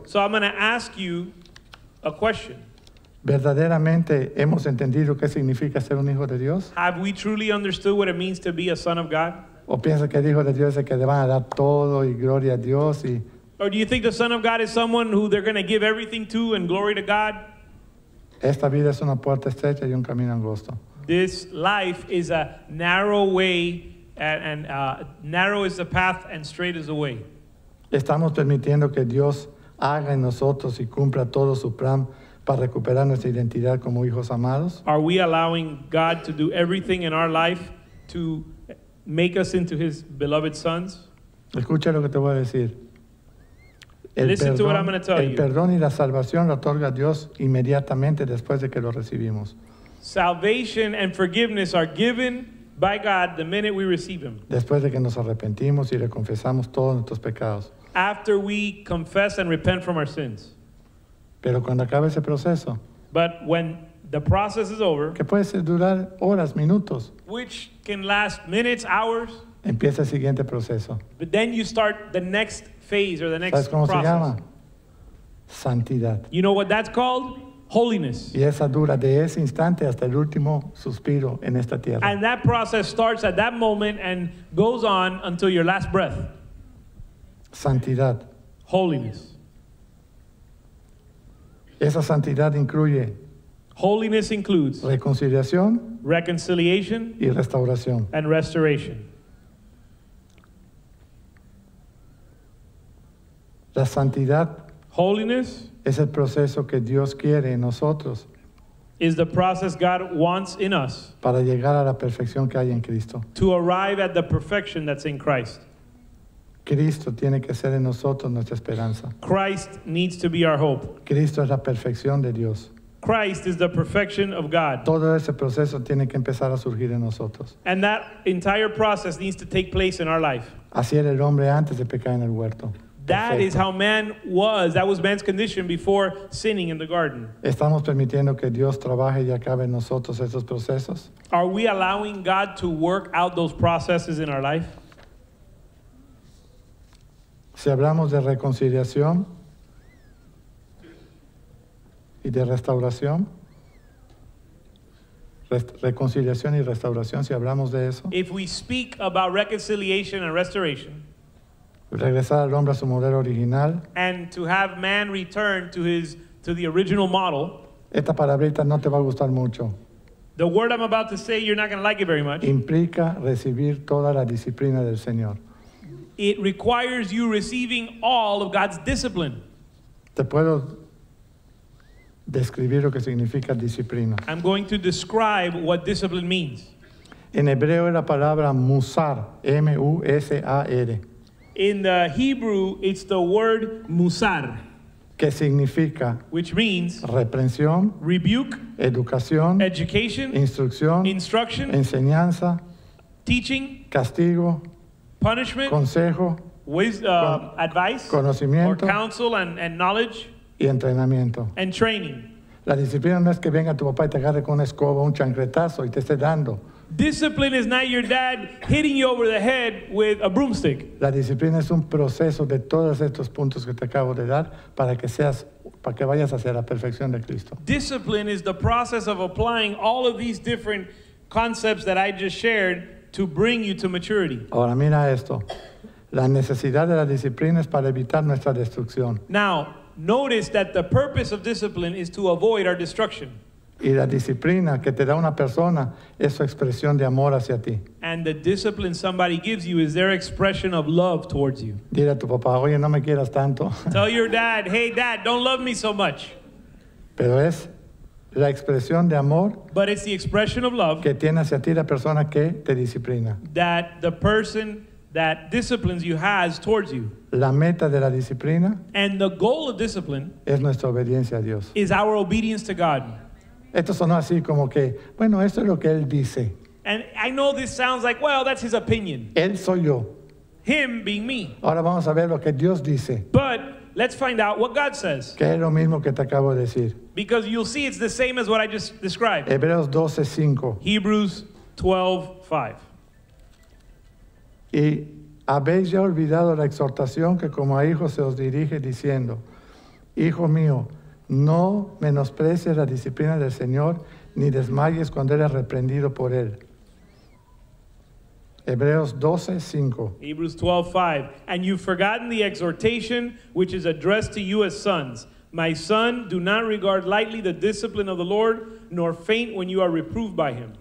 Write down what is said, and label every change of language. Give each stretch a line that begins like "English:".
English: So I'm going to ask you a question.
Spanish: ¿Verdaderamente hemos entendido qué significa ser un hijo de Dios?
English: Have we truly understood what it means to be a son of God?
Spanish: ¿O piensas que el hijo de Dios es el que le van a dar todo y gloria a Dios y?
English: Or do you think the son of God is someone who they're going to give everything to and glory to God?
Spanish: Esta vida es una puerta estrecha y un camino angosto.
English: This life is a narrow way and narrow is the path and straight is the way.
Spanish: Estamos permitiendo que Dios haga en nosotros y cumpla todo su plan para recuperar nuestra identidad como hijos amados?
English: Are we allowing God to do everything in our life to make us into his beloved sons?
Spanish: Escucha lo que te voy a decir.
English: Listen to what I'm going to tell you.
Spanish: El perdón y la salvación lo otorga Dios inmediatamente después de que lo recibimos.
English: Salvation and forgiveness are given by God the minute we receive him.
Spanish: Después de que nos arrepentimos y le confesamos todos nuestros pecados.
English: After we confess and repent from our sins.
Spanish: Pero cuando acabe ese proceso.
English: But when the process is over.
Spanish: Que puede durar horas, minutos.
English: Which can last minutes, hours.
Spanish: Empieza el siguiente proceso.
English: But then you start the next phase or the next
Spanish: ¿sabes cómo
English: process.
Spanish: Se llama? Santidad.
English: You know what that's called? Holiness.
Spanish: Y esa dura de ese instante hasta el último suspiro en esta tierra.
English: And that process starts at that moment and goes on until your last breath.
Spanish: Santidad.
English: Holiness.
Spanish: Esa santidad incluye.
English: Holiness includes.
Spanish: Reconciliación.
English: Reconciliation.
Spanish: Y restauración.
English: And restoration.
Spanish: La santidad,
English: holiness,
Spanish: es el proceso que Dios quiere en nosotros,
English: is the process God wants in us,
Spanish: para llegar a la perfección que hay en Cristo,
English: to arrive at the perfection that's in Christ.
Spanish: Cristo tiene que ser en nosotros nuestra esperanza.
English: Christ needs to be our hope.
Spanish: Cristo es la perfección de Dios.
English: Christ is the perfection of God.
Spanish: Todo ese proceso tiene que empezar a surgir en nosotros.
English: And that entire process needs to take place in our life.
Spanish: Así era el hombre antes de pecar en el huerto.
English: That is how man was. That was man's condition before sinning in the garden.
Spanish: ¿Estamos permitiendo que Dios trabaje y acabe en nosotros esos procesos?
English: Are we allowing God to work out those processes in our life?
Spanish: Si hablamos de reconciliación y de restauración, reconciliación y restauración, si hablamos de eso.
English: If we speak about reconciliation and restoration,
Spanish: regresar al hombre a su modelo original.
English: And to have man return to his to the original model.
Spanish: Esta palabrita no te va a gustar mucho.
English: The word I'm about to say, you're not going to like it very much.
Spanish: Implica recibir toda la disciplina del Señor.
English: It requires you receiving all of God's discipline.
Spanish: Te puedo describir lo que significa disciplina.
English: I'm going to describe what discipline means.
Spanish: En hebreo es la palabra musar, M-U-S-A-R.
English: In the Hebrew, it's the word musar,
Spanish: que significa,
English: which means
Spanish: reprensión,
English: rebuke,
Spanish: educación,
English: education,
Spanish: instrucción,
English: instruction,
Spanish: enseñanza,
English: teaching,
Spanish: castigo,
English: punishment,
Spanish: consejo,
English: advice,
Spanish: conocimiento,
English: or counsel and knowledge,
Spanish: y entrenamiento,
English: and training.
Spanish: La disciplina no es que venga tu papá y te agarre con una escoba, un chancretazo y te esté dando.
English: Discipline is not your dad hitting you over the head with a broomstick.
Spanish: La disciplina es un proceso de todos estos puntos que te acabo de dar para que seas, para que vayas hacia la perfección de Cristo.
English: Discipline is the process of applying all of these different concepts that I just shared to bring you to maturity.
Spanish: Ahora mira esto. La necesidad de la disciplina es para evitar nuestra destrucción.
English: Now, notice that the purpose of discipline is to avoid our destruction.
Spanish: Y la disciplina que te da una persona es su expresión de amor hacia ti.
English: And the discipline somebody gives you is their expression of love towards you.
Spanish: Dile a tu papá, oye, no me quieras tanto.
English: Tell your dad, hey dad, don't love me so much.
Spanish: Pero es la expresión de amor.
English: But it's the expression of love.
Spanish: Que tiene hacia ti la persona que te disciplina.
English: That the person that disciplines you has towards you.
Spanish: La meta de la disciplina.
English: And the goal of discipline.
Spanish: Es nuestra obediencia a Dios.
English: Is our obedience to God.
Spanish: Esto sonó así como que, bueno, esto es lo que él dice.
English: And I know this sounds like, well, that's his opinion.
Spanish: Él soy yo.
English: Him being me.
Spanish: Ahora vamos a ver lo que Dios dice.
English: But let's find out what God says.
Spanish: Que es lo mismo que te acabo de decir.
English: Because you'll see it's the same as what I just described.
Spanish: Hebreos 12:5.
English: Hebrews 12:5.
Spanish: Y habéis ya olvidado la exhortación que como a hijos se os dirige diciendo, hijo mío, no menosprecies la disciplina del Señor, ni desmayes cuando eres reprendido por él. Hebreos 12:5.
English: Hebrews 12:5. And you've forgotten the exhortation which is addressed to you as sons. My son, do not regard lightly the discipline of the Lord, nor faint when you are reproved by him.